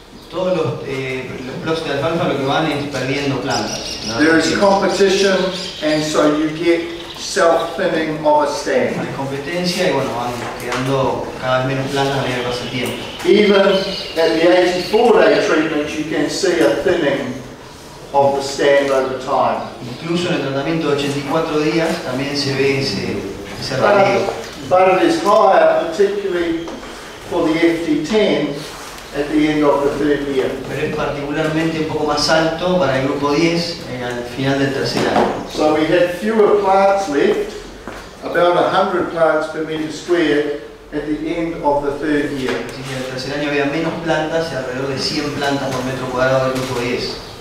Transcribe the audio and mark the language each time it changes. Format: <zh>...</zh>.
<es>Todos los plots de alfalfa lo que van es perdiendo plantas.</es> <en>There is competition, and so you get self-thinning of a stand.</en> <es>Hay competencia y bueno, van quedando cada vez menos plantas a medida que pasa el tiempo.</es> <en>Even at the 84-day treatment, you can see a thinning of the stand over time.</en> <es>Incluso en el tratamiento de 84 días también se ve ese radio.</es> <en>But it is higher, particularly for the FT10. At the end of the third year.</en> <es>Pero es particularmente un poco más alto para el grupo 10 al final del tercer año.</es> <en>So we had fewer plants left, about 100 plants per meter squared at the end of the third year.</en> <es>Así que en el tercer año había menos plantas, alrededor de 100 plantas por metro cuadrado del grupo 10.</es>